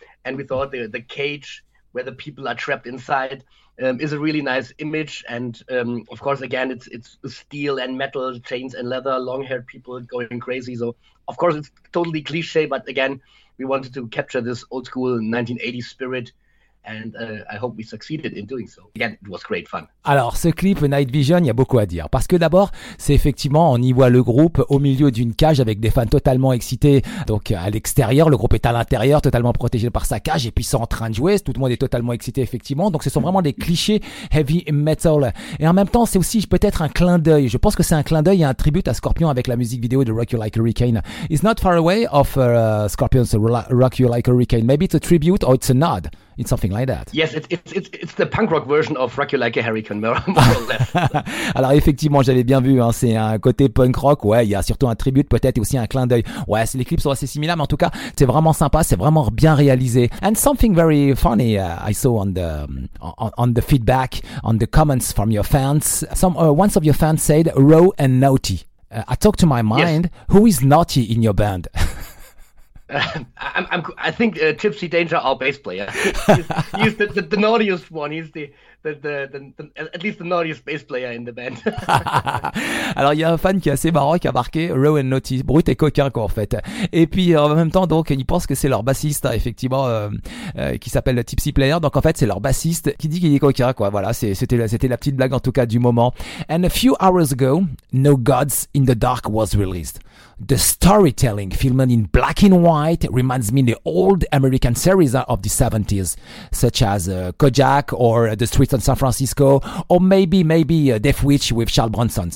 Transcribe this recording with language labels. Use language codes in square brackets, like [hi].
[en] And we thought the cage where the people are trapped inside is a really nice image. And of course, again, it's steel and metal, chains and leather, long-haired people going crazy. So of course, it's totally cliche. But again, we wanted to capture this old school 1980s spirit. And I hope we succeeded in doing so. Again, it was great fun. [fr] Alors, ce clip Night Vision, il y a beaucoup à dire. Parce que d'abord, c'est effectivement, on y voit le groupe au milieu d'une cage avec des fans totalement excités. Donc, à l'extérieur, le groupe est à l'intérieur, totalement protégé par sa cage. Et puis, ils sont en train de jouer. Tout le monde est totalement excité, effectivement. Donc, ce sont vraiment des clichés heavy metal. Et en même temps, c'est aussi peut-être un clin d'œil. Je pense que c'est un clin d'œil et un tribute à Scorpion avec la musique vidéo de Rock You Like a Hurricane. [en] It's not far away of Scorpion's Rock You Like a Hurricane. Maybe it's a tribute or it's a nod. It's something like that. Yes, it's the punk rock version of Rock You Like a Hurricane, more or less. [fr] Alors effectivement, j'avais bien vu, hein, c'est un côté punk rock, ouais, il y a surtout un tribute peut-être et aussi un clin d'œil. Ouais, les clips sont assez similaires, mais en tout cas, c'est vraiment sympa, c'est vraiment bien réalisé. [en] And something very funny I saw on the feedback, on the comments from your fans. Once of your fans said, raw and naughty. I talked to my mind, yes. Who is naughty in your band? I think Gypsy Danger, our bass player, he's the naughtiest one. He's the at least the naughtiest bass player in the band. [fr] Alors il y a un fan qui est assez marrant qui a marqué [en] raw and naughty, [fr] brut et coquin quoi en fait. Et puis en même temps donc il pense que c'est leur bassiste effectivement qui s'appelle le Gypsy Player. Donc en fait c'est leur bassiste qui dit qu'il est coquin quoi. Voilà, c'était la petite blague en tout cas du moment. [en] And a few hours ago, No Gods in the Dark was released. The storytelling filmed in black and white reminds me of the old American series of the 70s, such as Kojak or The Streets of San Francisco, or maybe Death Wish with Charles Bronson.